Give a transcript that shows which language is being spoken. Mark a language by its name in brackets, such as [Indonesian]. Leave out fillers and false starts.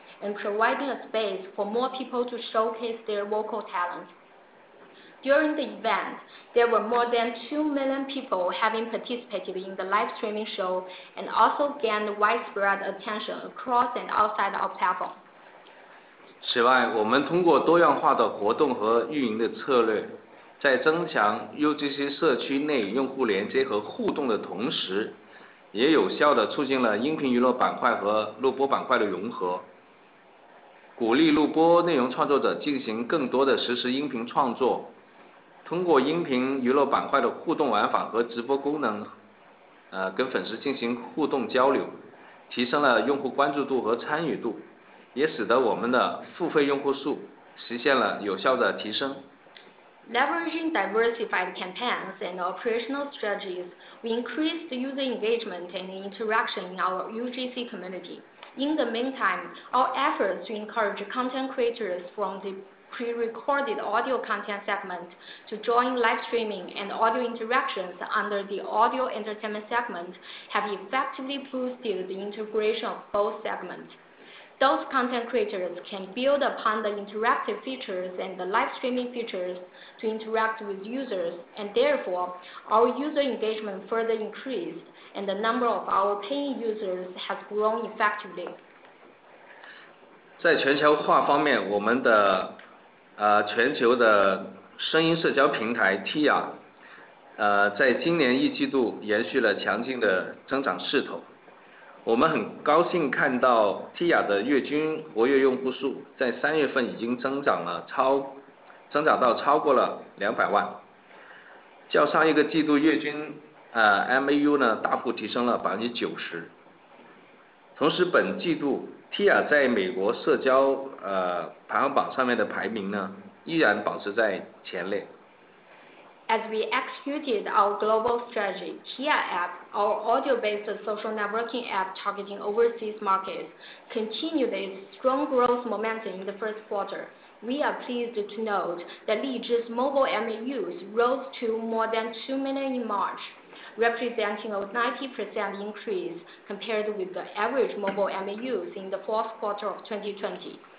[English] And providing a space for more people to showcase their vocal talent. During the event, there were more than 2 million people having participated in the live streaming show and also gained widespread attention across and outside our platform. [Chinese] 此外，我们通过多样化的活动和运营的策略，在增强 UGC 社区内用户连接和互动的同时，也有效地促进了音频娱乐板块和录播板块的融合。鼓励录播内容创作者进行更多的实时音频创作，通过音频娱乐板块的互动玩法和直播功能，跟粉丝进行互动交流，提升了用户关注度和参与度，也使得我们的付费用户数实现了有效的提升。 [English] Leveraging diversified campaigns and operational strategies, we increased user engagement and interaction in our UGC community. In the meantime, our efforts to encourage content creators from the pre-recorded audio content segment to join live streaming and audio interactions under the audio entertainment segment have effectively boosted the integration of both segments. Those content creators can build upon the interactive features and the live streaming features to interact with users, and therefore, our user engagement further increased, and the number of our paying users has grown effectively. [Chinese] 在全球化方面，我们的 全球的声音社交平台 TIA 在今年一季度延续了强劲的增长势头。我们很高兴看到 TIA的月均活跃用户数 在3月份已经增长到超过了200万， 较上一个季度月均 MAU呢 大幅提升了 90%。同时本季度 TIA在美国社交 排行榜上面的排名呢 依然保持在前列。 [English] As we executed our global strategy, TIA app, our audio-based social networking app targeting overseas markets, continued its strong growth momentum in the first quarter. We are pleased to note that LiZhi's mobile MAUs rose to more than 2 million in March, representing a 90% increase compared with the average mobile MAUs in the fourth quarter of 2020.